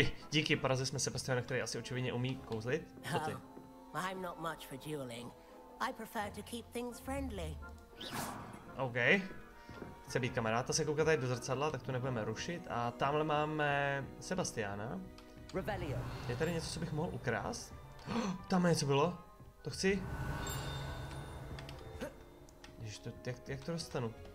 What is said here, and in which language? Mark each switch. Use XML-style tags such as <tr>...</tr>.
<cs>díky, porazili jsme Sebastiana, který asi očividně umí kouzlit. Co ty?</cs> <en>I'm not much for dueling. I prefer to keep things friendly. OK.</en> <cs>Chce být kamaráda, se kouká tady do zrcadla, tak to nebudeme rušit. A tamhle máme Sebastiana.</cs> <en>Rebellion.</en> <cs>Je tady něco, co bych mohl ukrást? Oh, tam něco bylo. To chci. To, jak to dostanu?</cs>